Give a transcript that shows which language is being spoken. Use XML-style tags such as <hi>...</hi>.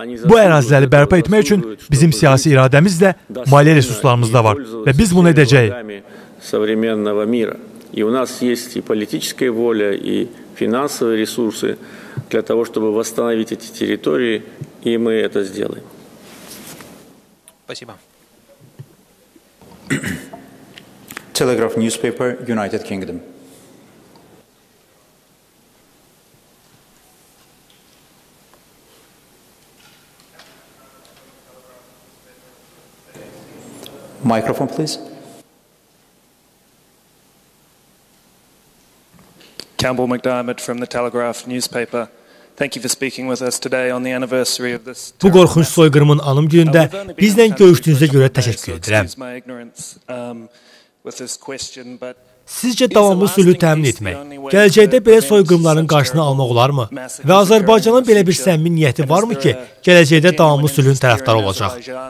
<az>Bu əraziləri bərpa etmək üçün bizim siyasi iradəmiz də, maliyyə resurslarımız da var və biz bunu edəcəyik.</az> <ru>И у нас есть и политическая воля, и финансовые ресурсы для того, чтобы восстановить эти территории, и мы это сделаем. Спасибо.</ru> <en>Telegraph newspaper, United Kingdom. Microphone, please. Campbell McDiarmid from the Telegraph newspaper. Thank you for speaking with us today on the anniversary of this.</en> <az>Bu qorxunç soyqırımın anım günündə bizlə görüşdüyünüzə görə təşəkkür edirəm. Sizcə davamlı sülhü təmin etmək, gələcəkdə belə soyqırımların qarşısını almaq olarmı? Və Azərbaycanın belə bir səmimi niyyəti varmı ki, gələcəkdə davamlı sülhün tərəfdarı olacaq?</az>